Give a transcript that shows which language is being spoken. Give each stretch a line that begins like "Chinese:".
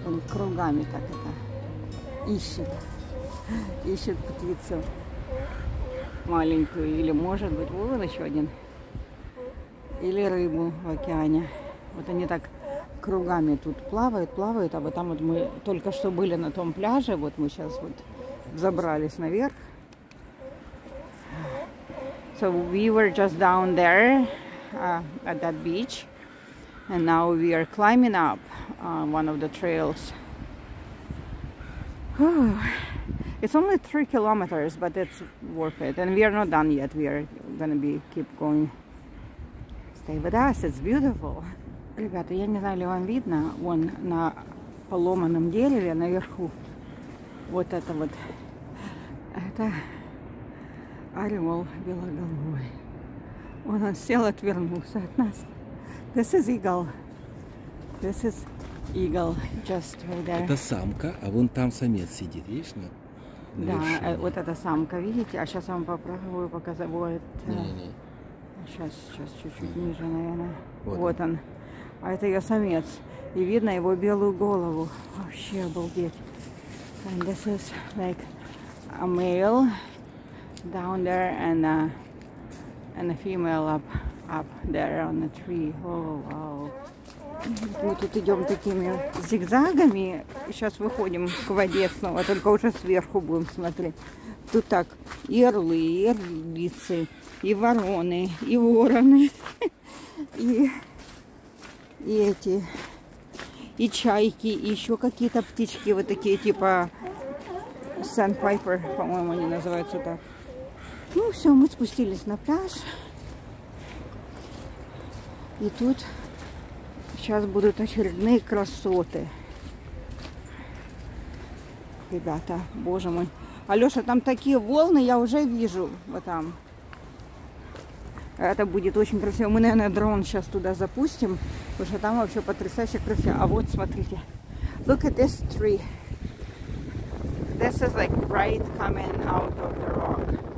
Russian: Кругами так это ищет птицу маленькую, или может быть вон еще один, или рыбу в океане. Вот они так кругами тут плавают, а вот там вот мы только что были на том пляже, вот мы сейчас вот забрались наверх.
English: So we were just down there at that beach, and now we are climbing up one of the trails. It's only 3 kilometers, but it's worth it. And we are not done yet. We are gonna be keep going. Stay with us. It's beautiful.
Russian: Ребята, я не знаю, ли вам видно, вон на поломанном дереве наверху вот. Это орел белоголовый. Он сел, отвернулся от нас.
English: This is eagle. This is eagle just right there.
Russian: Это самка, а вон там самец сидит, видишь? На да, вот эта самка, видите? А сейчас я вам попробую показать. Вот. Сейчас чуть-чуть ниже, наверное. Вот он. А это ее самец. И видно его белую голову. Вообще обалдеть.
English: And this is like a male down there and a female up there on the tree. Oh, wow.
Russian: Мы тут идем такими зигзагами. Сейчас выходим к воде снова, только уже сверху будем смотреть. Тут так и орлы, и орлицы, и вороны, и вороны, и эти, и чайки, и еще какие-то птички, вот такие типа Sandpiper, по-моему, они называются так. Ну все, мы спустились на пляж. И тут сейчас будут очередные красоты. Ребята, боже мой. Алёша, там такие волны, я уже вижу. Вот там. Это будет очень красиво. Мы, наверное, дрон сейчас туда запустим. Потому что там вообще потрясающе красиво. А вот, смотрите.
English: Look at this tree. This is like right coming out of the rock.